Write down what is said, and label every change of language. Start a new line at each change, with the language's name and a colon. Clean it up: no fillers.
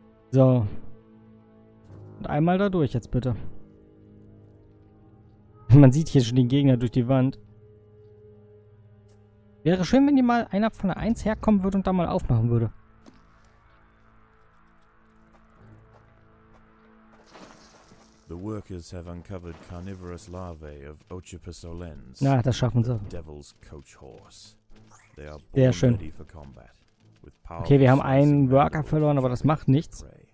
German: So. Und einmal da durch jetzt bitte. Man sieht hier schon den Gegner durch die Wand. Wäre schön, wenn hier mal einer von der 1 herkommen würde und da mal aufmachen würde.
English: The workers have uncovered carnivorous larvae of Ochipus olens.
German: Na, das schaffen sie.
English: Devil's coach horse. They are born ready for combat.
German: Okay, wir haben einen Worker verloren, aber das macht nichts.